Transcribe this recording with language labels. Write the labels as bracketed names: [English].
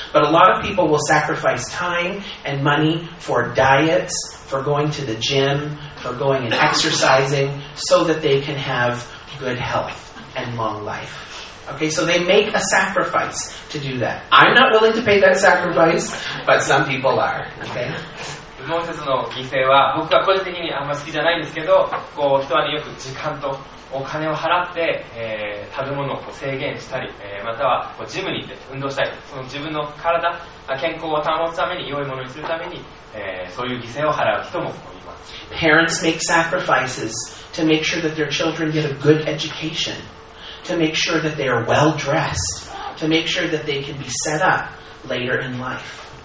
[English] But a lot of people will sacrifice time and money for diets, for going to the gym, for going and exercising, so that they can have good health and long life. Okay, so they make a sacrifice to do that. I'm not willing to pay that sacrifice, but some people are. Okay? [Japanese] もう一つの犠牲は僕は個人的にあんま好きじゃないんですけど、こう人はよく時間とお金を払って、食べ物をこう制限したり、またはこうジムに行って運動したり、その自分の体、健康を保つために良いものにするために、そういう犠牲を払う人もいます。 [English] Parents make sacrifices to make sure that their children get a good education, to make sure that they are well dressed, to make sure that they can be set up later in life.